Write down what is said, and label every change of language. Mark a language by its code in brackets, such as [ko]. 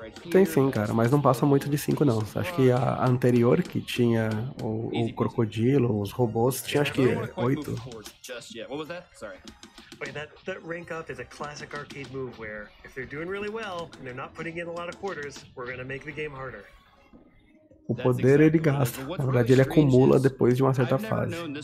[pt] Tem sim, cara, mas não passa muito de 5 não. Acho que a anterior que tinha o crocodilo, os robôs, tinha acho que 8. [en] What was that? Sorry. Wait, that rank up is a classic arcade move where if they're doing really well and they're not putting in a lot of quarters, we're gonna make the game harder. [pt] O poder ele gasta, na verdade ele acumula depois de uma certa fase.